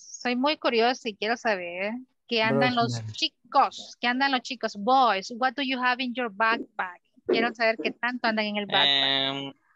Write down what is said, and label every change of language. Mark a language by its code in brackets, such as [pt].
[es] Soy muy curiosa y quiero saber qué andan los chicos, qué andan los chicos. [en] Boys, what do you have in your backpack? [es] Quiero saber qué tanto andan en el backpack.